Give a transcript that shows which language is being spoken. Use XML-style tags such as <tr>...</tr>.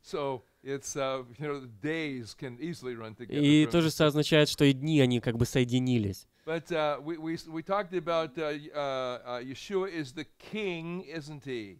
<en>So it's, days can easily run together.</en> <ru>И то же означает, что и дни, они как бы соединились.</ru> <en>But we talked about Yeshua is the king, isn't he?</en>